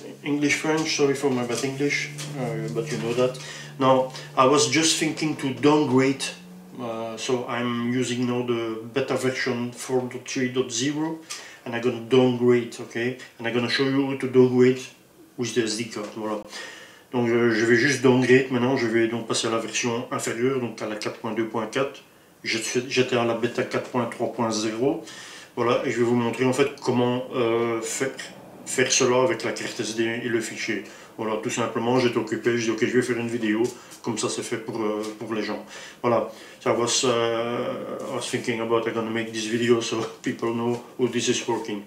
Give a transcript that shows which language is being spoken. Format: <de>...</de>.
<en>English, French, sorry for my bad English, but you know that. Now, I was just thinking to downgrade, so I'm using now the beta version 4.3.0, and I'm gonna downgrade, okay? And I'm gonna show you how to downgrade with the SD card, voilà.</en> <fr>Donc je vais juste downgrade maintenant, je vais donc passer à la version inférieure, donc à la 4.2.4. J'étais à la bêta 4.3.0. Voilà, et je vais vous montrer en fait comment faire cela avec la carte SD et le fichier. Voilà, tout simplement, j'étais occupé, je dis ok, je vais faire une vidéo, comme ça c'est fait pour les gens.</fr> <en>Voilà, so I was thinking about I'm gonna make this video so people know how this is working.</en>